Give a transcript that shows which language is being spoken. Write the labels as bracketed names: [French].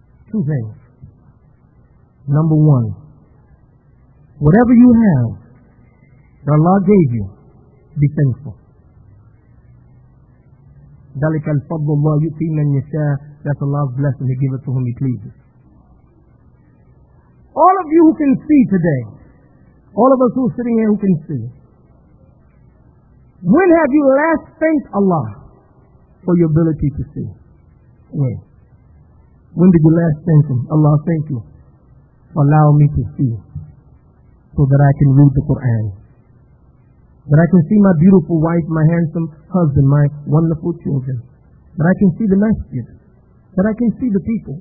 [English] Two things. Number one, whatever you have that Allah gave you, be thankful. [Arabic] ذلك الفضل الله يؤتي من يشاء. [English] That's Allah's blessing, He gives it to whom He pleases. All of you who can see today, all of us who are sitting here who can see, when have you last thanked Allah for your ability to see? When did you last thank Him? Allah, thank you for allowing me to see, so that I can read the Quran, that I can see my beautiful wife, my handsome husband, my wonderful children, that I can see the masjid, that I can see the people.